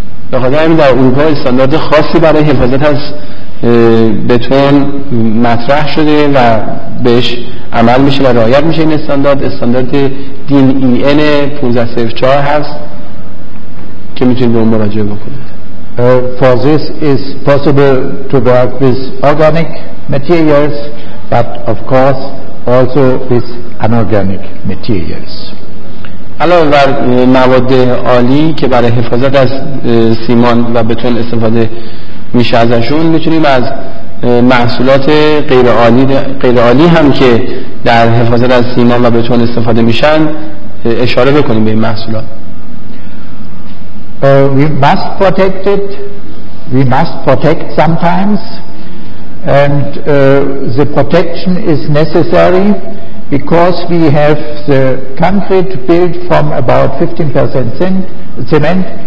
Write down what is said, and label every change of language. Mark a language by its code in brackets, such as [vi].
[fa] به خاطر این در اروپا استاندارد خاصی برای حفاظت از بتون مطرح شده و بهش عمل میشه و رعایت میشه. این استاندارد DIN EN 1504 هست که میتونید به اون مراجعه بکنید. [en] For this is possible to work with organic materials, but of course also with inorganic materials. [fa] علاوه بر مواد عالی که برای حفاظت از سیمان و بتون استفاده میشه ازشون، میتونیم از محصولات غیر عالی هم که در حفاظت از سیمان و بتون استفاده میشن اشاره بکنیم به این محصولات. [en] We must protect it, we must protect sometimes, and the protection is necessary because we have the concrete built from about 15% cement